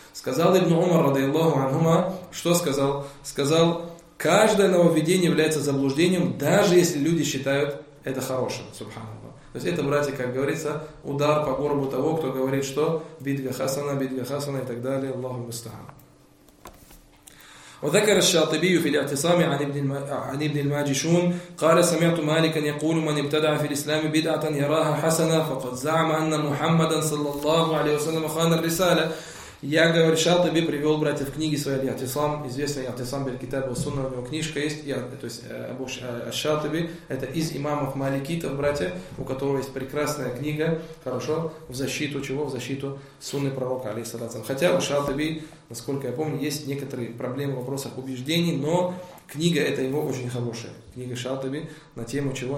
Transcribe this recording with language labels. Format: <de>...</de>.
<ru>Сказал ибн Умар, радиаллаху анхума, что сказал? Сказал, каждое нововведение является заблуждением, даже если люди считают это хорошим, субханаллах. То есть это, братья, как говорится, удар по горбу того, кто говорит, что бидга хасана и так далее, Аллаху мустахам.</ru> <ar>وذكر الشاطبي في الاعتصام عن ابن الماجشون قال سمعت مالكا يقول من ابتدع في الإسلام بدعة يراها حسنة فقد زعم أن محمدا صلى الله عليه وسلم خان الرسالة.</ar> <ru>Я говорю, Шатиби привел, братья, в книге своей «Иатисам», известный «Иатисам» Бель-Китаб Ас-Сунна, у него книжка есть, то есть Аш-Шатиби, это из имамов Маликитов, братья, у которого есть прекрасная книга, хорошо, в защиту чего? В защиту Сунны Пророка, алейхиссалям. Хотя у Шатиби, насколько я помню, есть некоторые проблемы в вопросах убеждений, но книга эта его очень хорошая, книга Шатиби на тему чего?</ru>